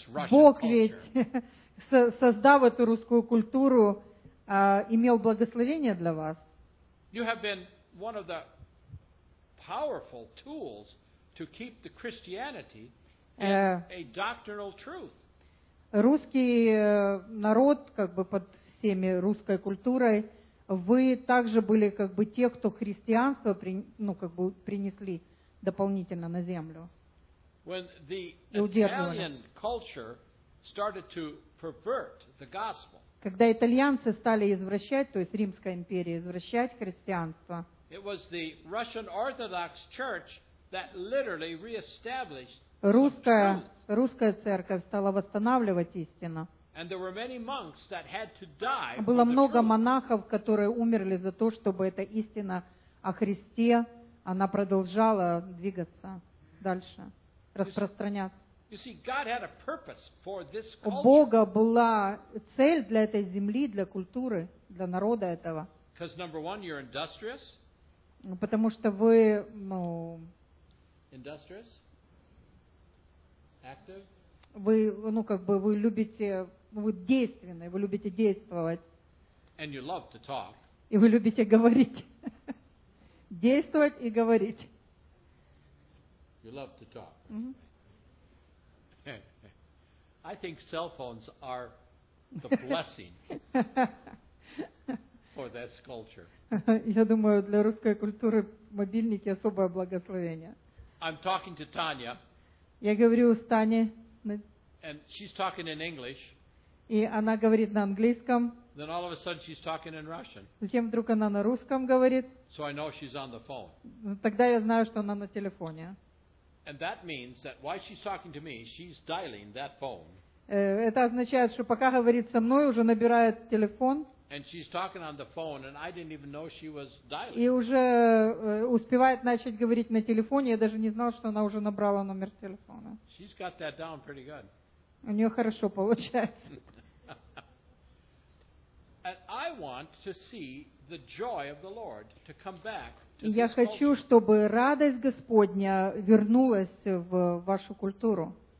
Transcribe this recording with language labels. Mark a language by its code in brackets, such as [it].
[ru] Бог ведь, создав эту русскую культуру, имел благословение для вас. [en] You have been one of the powerful tools to keep the Christianity in a doctrinal truth. [ru] Русский народ, как бы под всеми русской культурой, вы также были как бы те, кто христианство принесли дополнительно на землю. [en] When the Italian culture started to pervert the gospel, [ru] Когда итальянцы стали извращать, то есть Римская империя, извращать христианство. [en] It was the Russian Orthodox Church that literally reestablished [ru] Русская церковь стала восстанавливать истину. [en] And there were many monks that had to die. [ru] Было много монахов, которые умерли за то, чтобы эта истина о Христе, она продолжала двигаться дальше, распространяться. [en] You see, God had a purpose for this culture. [ru] У Бога была цель для этой земли, для культуры, для народа этого. [en] Because number one, you're industrious. [ru] Потому что вы, ну, [en] industrious, active. [ru] Вы, ну, как бы вы любите, вы действенны, вы любите действовать. [en] And you love to talk. [ru] И вы любите говорить, действовать и говорить. [en] You love to talk. I think cell phones are the blessing for this culture. [ru] Я думаю, для русской культуры мобильники особое благословение. [en] I'm talking to Tanya. [ru] Я говорю с Таней. [en] And she's talking in English. [ru] И она говорит на английском. [en] Then all of a sudden she's talking in Russian. [ru] Затем вдруг она на русском говорит. [en] So I know she's on the phone. [ru] Тогда я знаю, что она на телефоне. [en] And that means that while she's talking to me, she's dialing that phone. [ru] Это означает, что пока говорит со мной, уже набирает телефон. [en] And she's talking on the phone, and I didn't even know she was dialing. [ru] И уже успевает начать говорить на телефоне, я даже не знал, что она уже набрала номер телефона. [en] She's got that down pretty good. [ru] У нее хорошо получается. [en] And I want to see the joy of the Lord to come back. [ru] И я хочу, чтобы радость Господня вернулась в вашу культуру.